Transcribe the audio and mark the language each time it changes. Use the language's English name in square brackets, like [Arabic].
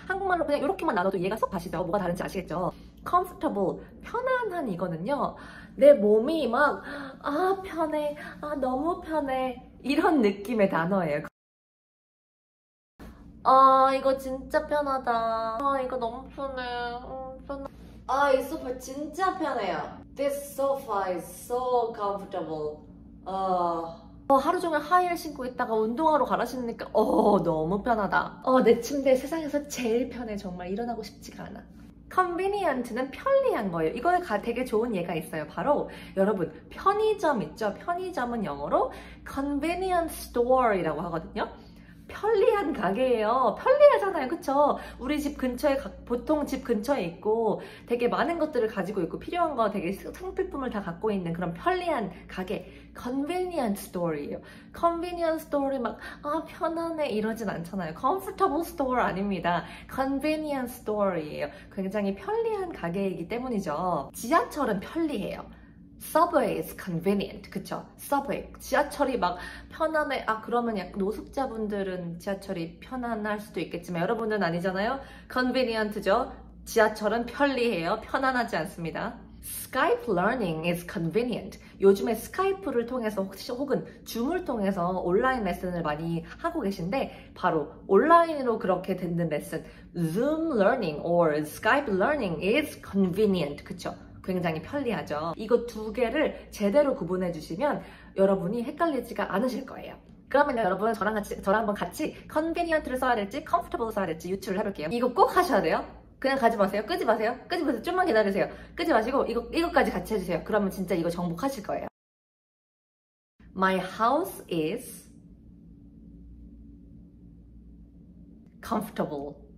[Korean] 한국말로 그냥 이렇게만 나눠도 이해가 쏙 가시죠. 뭐가 다른지 아시겠죠? comfortable 편안한 이거는요, 내 몸이 막 아 편해, 아 너무 편해 이런 느낌의 단어예요. 아 이거 진짜 편하다, 아 이거 너무 편해, 편해. 아, 이 소파 진짜 편해요. [English] This sofa is so comfortable. [Korean] 하루 종일 하이힐 신고 있다가 운동하러 갈아 신으니까 너무 편하다. 내 침대 세상에서 제일 편해. 정말 일어나고 싶지가 않아. Convenient는 편리한 거예요. 이거에 되게 좋은 예가 있어요. 바로 여러분 편의점 있죠? 편의점은 영어로 convenience store이라고 하거든요. 편리한 가게예요. 편리하잖아요. 그쵸? 우리 집 근처에, 보통 집 근처에 있고 되게 많은 것들을 가지고 있고 필요한 거 되게 상필품을 다 갖고 있는 그런 편리한 가게. [English] Convenient store이에요. [Korean] Convenient store이 막 편안해 이러진 않잖아요. [English] Comfortable store 아닙니다. Convenient store이에요. [Korean] 굉장히 편리한 가게이기 때문이죠. 지하철은 편리해요. [English] Subway is convenient. [Korean] 그쵸? Subway. 지하철이 막 편안해. 그러면 약간 노숙자분들은 지하철이 편안할 수도 있겠지만 여러분은 아니잖아요? Convenient죠? 지하철은 편리해요. 편안하지 않습니다. [English] Skype learning is convenient. [Korean] 요즘에 스카이프를 통해서 혹은 줌을 통해서 온라인 레슨을 많이 하고 계신데 바로 온라인으로 그렇게 듣는 레슨 [English] Zoom learning or Skype learning is convenient. [Korean] 그쵸? 굉장히 편리하죠. 이거 두 개를 제대로 구분해 주시면 여러분이 헷갈리지가 않으실 거예요. 그러면 여러분 저랑 한번 같이 convenient를 써야 될지 comfortable 써야 될지 유추를 해볼게요. 이거 꼭 하셔야 돼요. 그냥 가지 마세요. 끄지 마세요. 끄지 마세요. 좀만 기다리세요. 끄지 마시고 이거까지 같이 해주세요. 그러면 진짜 이거 정복하실 거예요. [English] My house is comfortable.